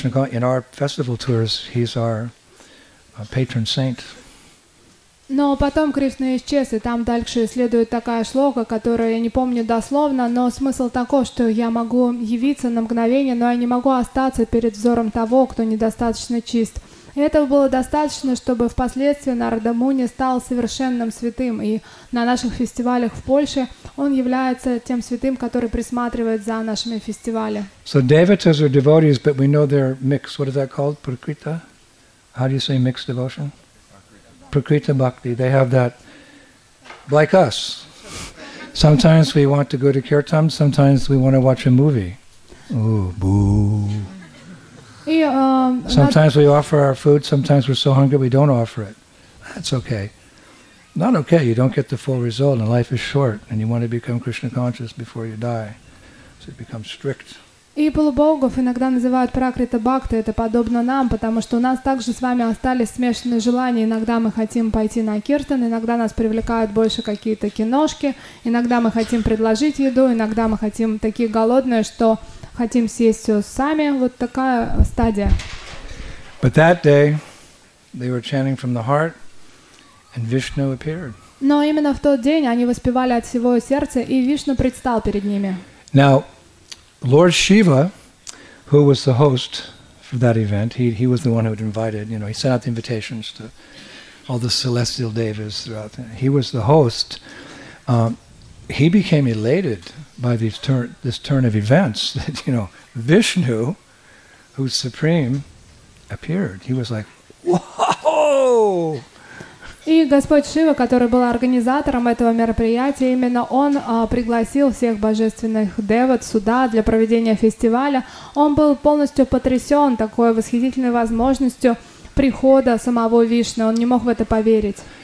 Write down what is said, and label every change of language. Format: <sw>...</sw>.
<en>In our festival tours, he's our patron saint.</en> <ru>Но потом Кришна исчез, и там дальше следует такая шлока, которую я не помню дословно, но смысл такой, что я могу явиться на мгновение, но я не могу остаться перед взором того, кто недостаточно чист. И этого было достаточно, чтобы впоследствии Нарада Муни стал совершенным святым, и на наших фестивалях в Польше он является тем святым, который присматривает за нашими фестивалями.</ru> <en>So devotees are devotees, but we know they're mixed. What is that called? Prakrita? How do you say mixed devotion? Prakriti Bhakti, they have that, like us. Sometimes we want to go to kirtan, sometimes we want to watch a movie. Oh, boo. Sometimes we offer our food, sometimes we're so hungry we don't offer it. That's okay. Not okay, you don't get the full result, and life is short, and you want to become Krishna conscious before you die. So it becomes strict.</en> <ru>И полубогов иногда называют пракрита бхакти, это подобно нам, потому что у нас также с вами остались смешанные желания. Иногда мы хотим пойти на киртан, иногда нас привлекают больше какие-то киношки, иногда мы хотим предложить еду, иногда мы хотим такие голодные, что хотим съесть все сами. Вот такая стадия.</ru> <en>But that day they were chanting from the heart, and Vishnu appeared.</en> <ru>Но именно в тот день они воспевали от всего сердца, и Вишну предстал перед ними.</ru> <en>Now, Lord Shiva who was the host for that event. He was the one who had invited, you know, he sent out the invitations to all the celestial devas throughout. He was the host. He became elated by this turn of events that, you know, Vishnu, who's supreme, appeared. He was like, whoa!</en> <ru>И Господь Шива, который был организатором этого мероприятия, именно он пригласил всех божественных девот сюда для проведения фестиваля. Он был полностью потрясен такой восхитительной возможностью прихода самого Вишны. Он не мог в это поверить.</ru>